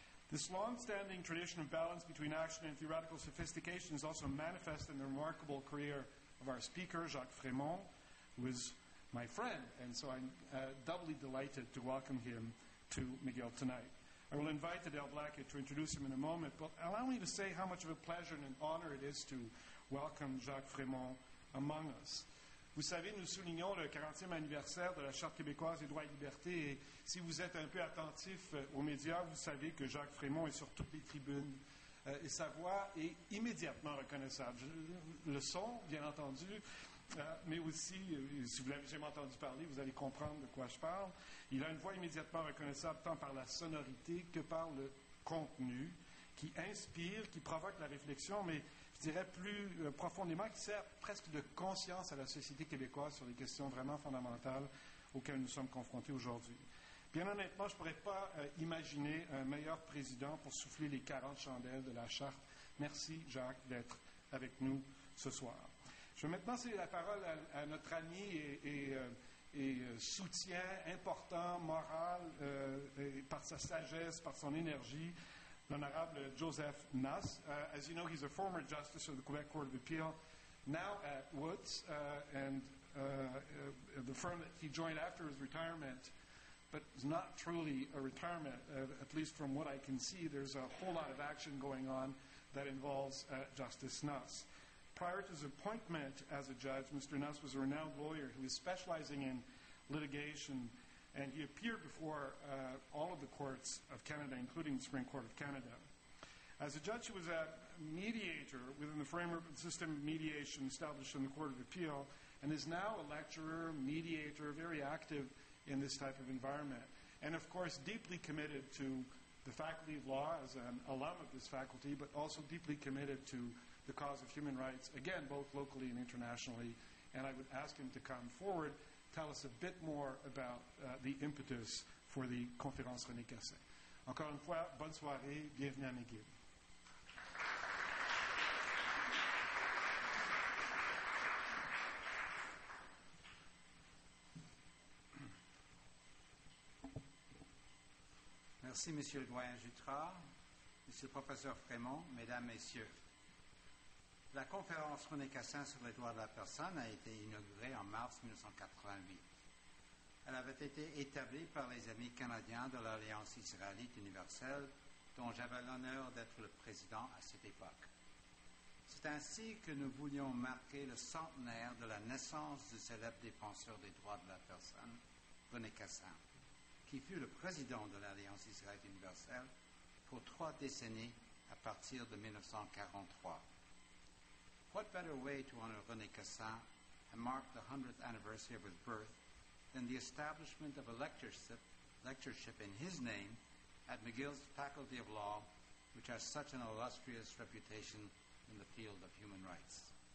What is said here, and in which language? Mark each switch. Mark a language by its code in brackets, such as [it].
[en] This long-standing tradition of balance between action and theoretical sophistication is also manifest in the remarkable career of our speaker, Jacques Frémont, who is my friend, and so I'm doubly delighted to welcome him to McGill tonight. I will invite Adele Black to introduce him in a moment, but allow me to say how much of a pleasure and an honor it is to welcome Jacques Frémont among us. [fr] Vous savez, nous soulignons le 40e anniversaire de la Charte québécoise des droits et libertés, et si vous êtes un peu attentif aux médias, vous savez que Jacques Frémont est sur toutes les tribunes, et sa voix est immédiatement reconnaissable. Le son, bien entendu, mais aussi, si vous l'avez jamais entendu parler, vous allez comprendre de quoi je parle. Il a une voix immédiatement reconnaissable tant par la sonorité que par le contenu qui inspire, qui provoque la réflexion, mais je dirais plus profondément, qui sert presque de conscience à la société québécoise sur les questions vraiment fondamentales auxquelles nous sommes confrontés aujourd'hui. Bien honnêtement, je ne pourrais pas imaginer un meilleur président pour souffler les 40 chandelles de la Charte. Merci, Jacques, d'être avec nous ce soir. Je vais maintenant céder la parole à notre ami et soutien important, moral, et par sa sagesse, par son énergie, l'honorable Joseph Nass. [en] As you know, he's a former justice of the Quebec Court of Appeal, now at Woods, and the firm that he joined after his retirement, but it's not truly a retirement, at least from what I can see. There's a whole lot of action going on that involves Justice Nass. Prior to his appointment as a judge, Mr. Nass was a renowned lawyer who was specializing in litigation, and he appeared before all of the courts of Canada, including the Supreme Court of Canada. As a judge, he was a mediator within the framework of the system of mediation established in the Court of Appeal, and is now a lecturer, mediator, very active in this type of environment, and of course deeply committed to the Faculty of Law as an alum of this faculty, but also deeply committed to the cause of human rights, again, both locally and internationally. And I would ask him to come forward, tell us a bit more about the impetus for the Conférence René Cassin. [fr] Encore une fois, bonne soirée, bienvenue à McGill. Merci, Monsieur le doyen Jutras, Monsieur le professeur Frémont, Mesdames, Messieurs. La conférence René Cassin sur les droits de la personne a été inaugurée en mars 1988. Elle avait été établie par les amis canadiens de l'Alliance israélite universelle, dont j'avais l'honneur d'être le président à cette époque. C'est ainsi que nous voulions marquer le centenaire de la naissance du célèbre défenseur des droits de la personne, René Cassin, qui fut le président de l'Alliance israélite universelle pour trois décennies à partir de 1943. [en] What better way to honor René Cassin and mark the 100th anniversary of his birth than the establishment of a lectureship in his name at McGill's Faculty of Law, which has such an illustrious reputation in the field of human rights.